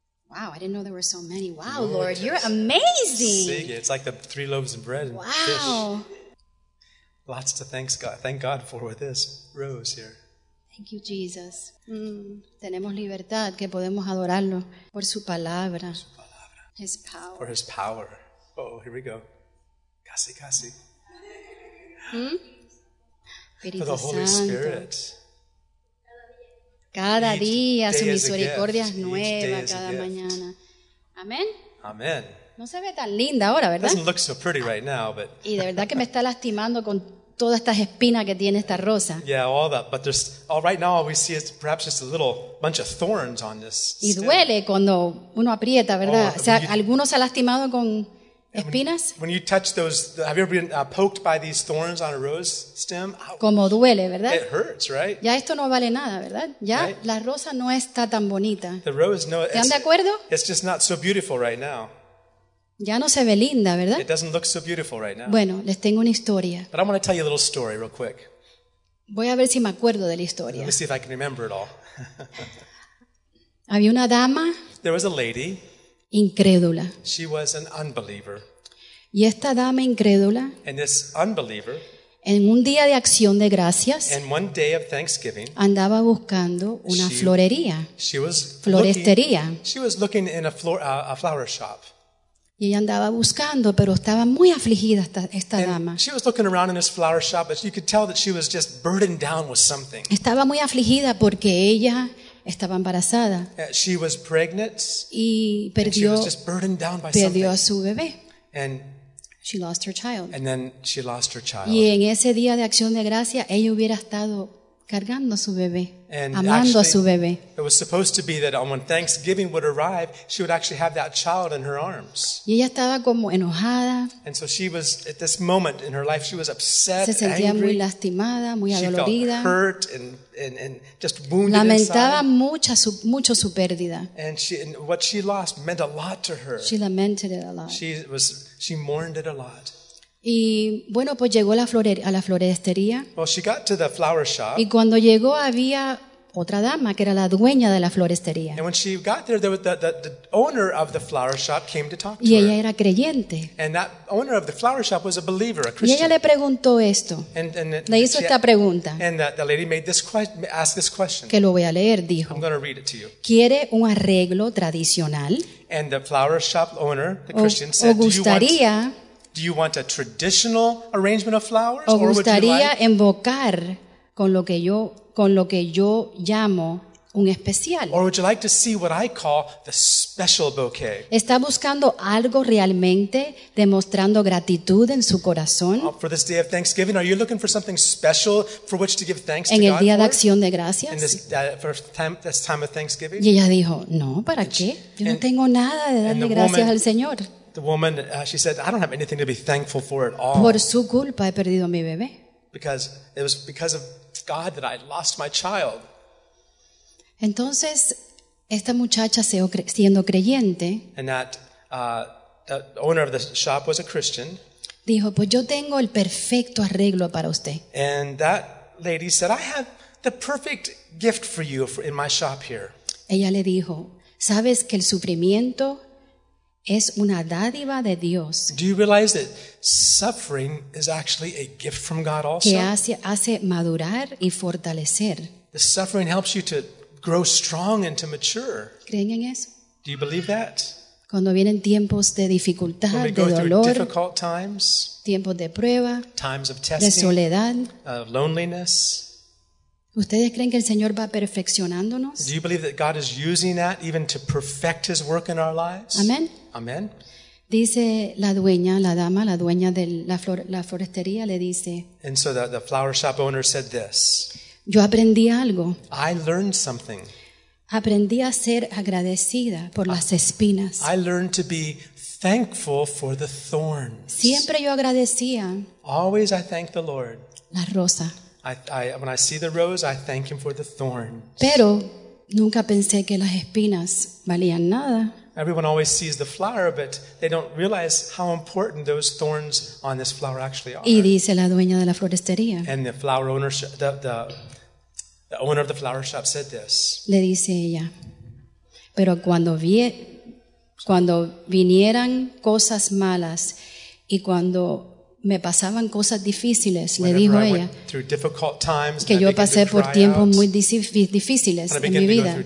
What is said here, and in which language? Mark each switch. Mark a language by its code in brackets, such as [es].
[en] Wow, I didn't know there were so many. Wow, Lord, Lord, you're amazing. See, it's like the three loaves of bread and wow. Fish. Lots to thank God for with this rose here. Thank you, Jesus. [es] Tenemos libertad que podemos adorarlo por su palabra. Su palabra. [en] His power. For His power. Oh, here we go. [es] Casi, casi. [en] For the Holy Spirit. [es] Cada día su misericordia es nueva cada mañana. Amén. Amén. No se ve tan linda ahora, ¿verdad? [en] Doesn't look so pretty right now, but. [es] Y de verdad que me está lastimando con todas estas espinas que tiene esta rosa. [en] Yeah, all that, but there's all right now all we see is perhaps just a little bunch of thorns on this. [es] Y duele cuando uno aprieta, ¿verdad? O sea, algunos se ha lastimado con espinas. [en] When you touch those, have you ever been poked by these thorns on a rose stem? Ouch. [es] Como duele, ¿verdad? [en] It hurts, right? [es] Ya esto no vale nada, ¿verdad? Ya [en] right? [es] La rosa no está tan bonita. [en] The rose, no, [es] ¿están de acuerdo? [en] It's just not so beautiful right now. [es] Ya no se ve linda, ¿verdad? [en] It doesn't look so beautiful right now. [es] Bueno, les tengo una historia. [en] But I want to tell you a little story real quick. [es] Voy a ver si me acuerdo de la historia. [en] Let me see if I can remember it all. [es] Había una dama. [en] There was a lady. [es] Incrédula. [en] She was an unbeliever. [es] Y esta dama incrédula. [en] And this unbeliever. [es] En un día de acción de gracias. [en] And one day of Thanksgiving. [es] Andaba buscando una florería. [en] She was [es] florestería. [en] Looking, she was looking in a flower shop. [es] Y ella andaba buscando, pero estaba muy afligida esta dama. [en] She was looking around in this flower shop, but you could tell that she was just burdened down with something. [es] Estaba muy afligida porque ella estaba embarazada. [en] She was pregnant. [es] Y perdió, [en] and she was just burdened down by [es] perdió A su bebé. [en] And she lost her child. And then she lost her child. [es] Y en ese día de acción de gracia, ella hubiera estado cargando a su bebé, [en] and [es] amando [en] actually, [es] a su bebé. [en] It was supposed to be that when Thanksgiving would arrive, she would actually have that child in her arms. [es] Y ella estaba como enojada. [en] And so she was, at this moment in her life, she was upset, [es] se sentía [en] angry. [es] Muy lastimada, muy [en] she [es] adolorida. [en] Felt hurt and just wounded [es] lamentaba [en] inside. [es] Mucho su pérdida. [en] And, she, and what she lost meant a lot to her. She lamented it a lot. She mourned it a lot. [es] Y bueno, pues llegó a la florestería. [en] Well, she got to the flower shop. [es] Y cuando llegó había otra dama que era la dueña de la florestería. [en] And when she got there, there was the owner of the flower shop came to talk to her. [es] Y ella era creyente. [en] And that owner of the flower shop was a believer, a Christian. [es] Y ella le preguntó esto. Le hizo esta pregunta. [en] And the lady asked this question. [es] Que lo voy a leer, dijo. [en] I'm going to read it to you. [es] ¿Quiere un arreglo tradicional? [en] And the flower shop owner, the Christian, said, Do you want a traditional arrangement of flowers, or would you like [es] invocar con lo que yo llamo un especial? [en] Or would you like to see what I call the special bouquet? [es] ¿Está buscando algo realmente demostrando gratitud en su corazón? [en] For this day of Thanksgiving, are you looking for something special for which to give thanks to God? [es] En el día de Acción de Gracias. [en] In this time of Thanksgiving. [es] Y ella dijo, no, ¿para qué? Yo no tengo nada de darle gracias al Señor. [en] The woman, she said, I don't have anything to be thankful for at all. [es] Por su culpa he perdido mi bebé. [en] Because it was because of God that I lost my child. [es] Entonces, esta muchacha siendo creyente, [en] and that the owner of the shop was a Christian, [es] dijo, pues yo tengo el perfecto arreglo para usted. [en] And that lady said, I have the perfect gift for you in my shop here. [es] Ella le dijo, ¿sabes que el sufrimiento es una dádiva de Dios? [en] Do you realize that suffering is actually a gift from God also? [es] Que hace madurar y fortalecer. [en] The suffering helps you to grow strong and to mature. [es] ¿Creen en eso? [en] Do you believe that? [es] Cuando vienen tiempos de dificultad, de dolor, [en] times, [es] tiempos de prueba, [en] times of testing, [es] de soledad, [en] of loneliness. [es] ¿Ustedes creen que el Señor va perfeccionándonos? [en] Do you believe that God is using that even to perfect His work in our lives? Amen. Amen. [es] Dice la dueña, la dama, la dueña de la florestería, le dice. [en] And so the flower shop owner said this. [es] Yo aprendí algo. [en] I learned something. [es] Aprendí a ser agradecida por las espinas. [en] I learned to be thankful for the thorns. [es] Siempre yo agradecía. [en] Always I thank the Lord. [es] La rosa. [en] I, when I see the rose, I thank Him for the thorns. [es] Pero nunca pensé que las espinas valían nada. [en] Everyone always sees the flower, but they don't realize how important those thorns on this flower actually are. [es] Y dice la dueña de la florestería. [en] And the flower owner, the owner of the flower shop said this. [es] Le dice ella, pero cuando vinieran cosas malas y cuando me pasaban cosas difíciles, [en] whenever [es] le dijo ella, [en] times, [es] que yo pasé por tiempos muy difíciles en mi vida.